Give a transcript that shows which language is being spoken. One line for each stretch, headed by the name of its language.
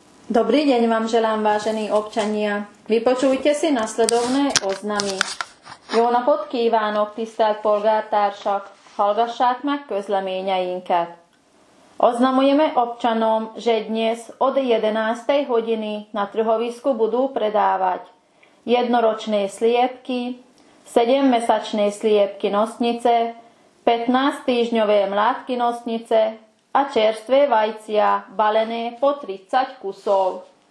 Slovak: Dobrý deň vám želám, vážení občania. Vypočujte si nasledovné oznamy.
Hungarian: Jó napot kívánok, tisztelt polgártársak! Hallgassák meg közleményeinket.
Slovak: Oznamujeme občanom, že dnes od 11. hodiny na trhovisku budú predávať jednoročné sliepky, 7-mesačné sliepky nosnice, 15-týždňové mládky nosnice a čerstvé vajcia balené po 30 kusov.